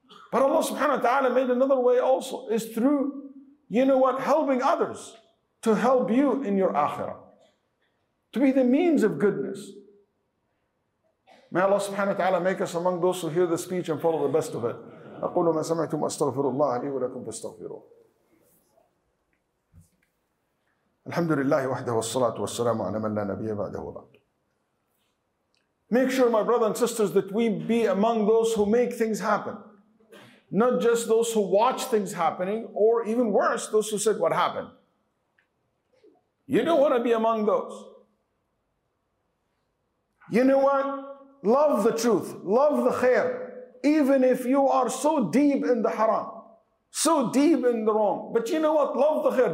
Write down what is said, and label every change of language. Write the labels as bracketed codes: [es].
[en] But Allah subhanahu wa ta'ala made another way also, is through, helping others to help you in your akhirah, to be the means of goodness. May Allah subhanahu wa ta'ala make us among those who hear the speech and follow the best of it. [ar] أقول ما سمعتم أستغفر الله لي ولكم فاستغفروه. الحمد لله وحده والصلاة والسلام على من لا نبي بعده وبعد. [en] Make sure, my brothers and sisters, that we be among those who make things happen. Not just those who watch things happening, or even worse, those who said what happened. You don't want to be among those. You know what? Love the truth, love the khair, even if you are so deep in the haram, so deep in the wrong. But you know what? Love the khair.